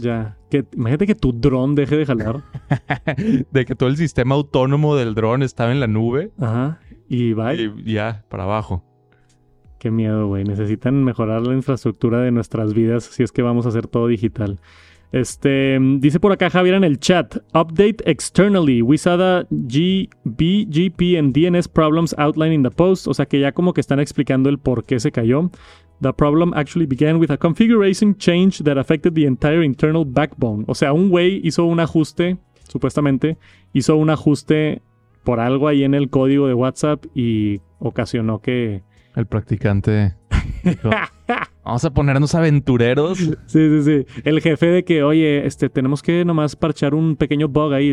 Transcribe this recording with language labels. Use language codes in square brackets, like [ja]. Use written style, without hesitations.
[es] Ya, que imagínate que tu dron deje de jalar. De que todo el sistema autónomo del dron estaba en la nube. Ajá. Y va. Y ya, para abajo. Qué miedo, güey. Necesitan mejorar la infraestructura de nuestras vidas si es que vamos a hacer todo digital. Dice por acá Javier en el chat. [en] Update externally. We saw the BGP and DNS problems outlined in the post. [es] O sea que ya como que están explicando el por qué se cayó. [en] The problem actually began with a configuration change that affected the entire internal backbone. [es] O sea, un güey hizo un ajuste, supuestamente, hizo un ajuste por algo ahí en el código de WhatsApp y ocasionó que... El practicante dijo, vamos a ponernos aventureros. Sí, sí, sí. El jefe de que, oye, tenemos que nomás parchar un pequeño bug ahí.